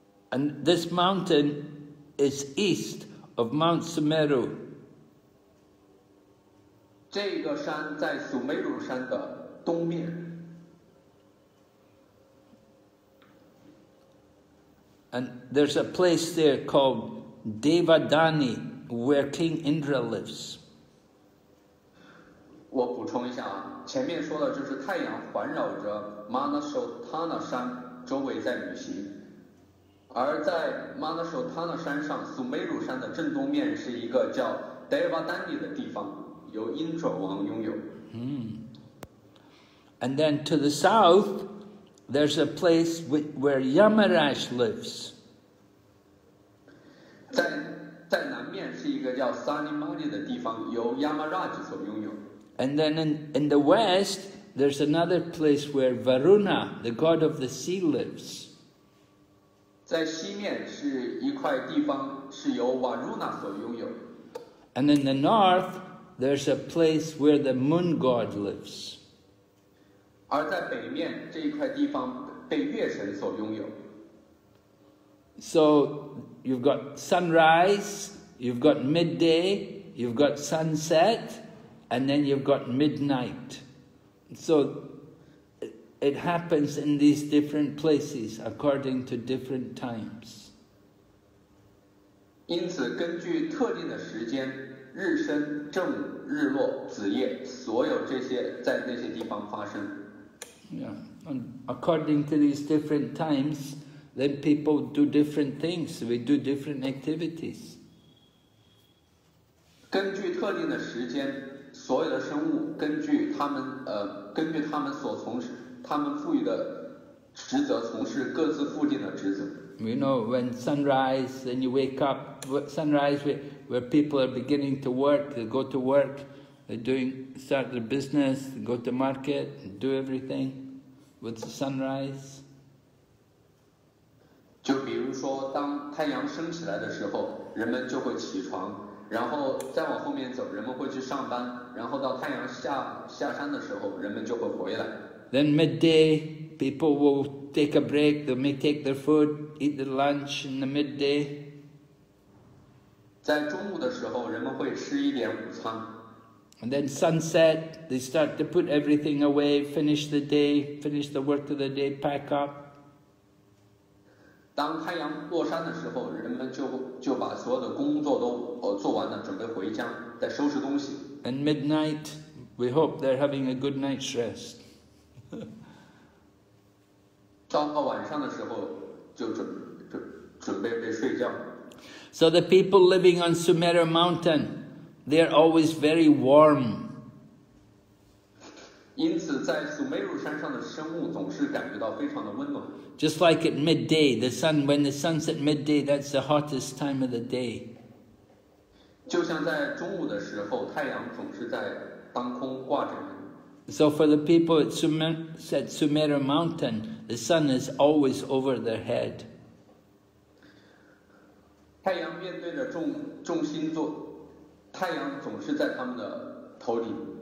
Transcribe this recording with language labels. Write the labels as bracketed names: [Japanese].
[English] And this mountain is east of Mount Sumeru. [Chinese] 这个山在苏梅鲁山的东面。 [English] And there's a place there called Devadani where King Indra lives. [Chinese] 我补充一下，前面说的就是太阳环绕着 Manasotana 山周围在旅行，而在 Manasotana 山上，苏梅鲁山的正东面是一个叫 Devadani 的地方，由英卓王拥有。 [English] And then to the south, there's a place where Yamaraj lives. [Chinese] 在南面是一个叫 Sanimani 的地方，由 Yamaraj 所拥有。 [English] And then in the west, there's another place where Varuna, the god of the sea, lives. [Chinese] 在西面是一块地方是由 Varuna 所拥有。 [English] And in the north, there's a place where the moon god lives. [Chinese] 而在北面这一块地方被月神所拥有。 [English] So you've got sunrise, you've got midday, you've got sunset. And then you've got midnight. So it happens in these different places according to different times. [Chinese] 因此根据特定的时间，日升、正午、日落、子夜，所有这些在那些地方发生。 [English] Yeah, and according to these different times, then people do different things, we do different activities. [Chinese] 根据特定的时间，所有的生物根据他们根据他们所从事他们赋予的职责，从事各自附近的职责。 [English] You know, when sunrise, then you wake up, sunrise where people are beginning to work, they go to work, they're doing, start their business, go to market, do everything with the sunrise. [Chinese] 就比如说当太阳升起来的时候，人们就会起床，然后再往后面走，人们会去上班，然后到太阳下山的时候，人们就会回来。 [English] Then midday, people will take a break, they may take their food, eat their lunch in the midday. [Chinese] 在中午的时候，人们会吃一点午餐。 [English] And then sunset, they start to put everything away, finish the day, finish the work of the day, pack up. [Chinese] 当太阳落山的时候，人们就把所有的工作都做完了，准备回家，再收拾东西。 [English] And midnight, we hope they're having a good night's rest. [Chinese] 到了晚上的时候，就准备睡觉。 [English] So the people living on Sumeru Mountain, they are always very warm. [Chinese] 因此，在苏梅鲁山上的生物总是感觉到非常的温暖。 [English] Just like at midday, the sun, when the sun's at midday, that's the hottest time of the day. [Chinese] 就像在中午的时候，太阳总是在当空挂着。 [English] So for the people at Sumeru Mountain, the sun is always over their head. [Chinese] 太阳面对着众星座，太阳总是在他们的头顶。